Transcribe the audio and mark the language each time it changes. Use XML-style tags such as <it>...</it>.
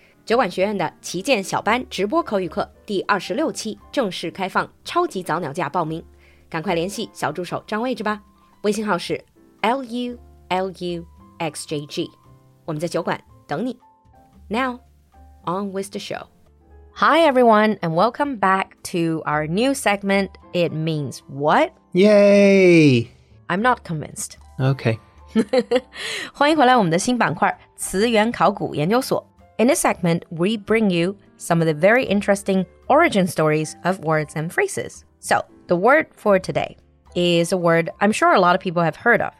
<zh>酒馆学院的旗舰小班直播口语课第26期正式开放超级早鸟价报名，赶快联系小助手张位置吧，微信号是 LULUXJG， 我们在酒馆等你。</zh> <en>Now, on with the show. Hi everyone, and welcome back to our new segment, It Means What? Yay! I'm not convinced. Okay.</en> <zh>欢迎回来我们的新板块词源考古研究所。</zh> <en>In this segment, we bring you some of the very interesting origin stories of words and phrases. So, the word for today is a word I'm sure a lot of people have heard of.</en>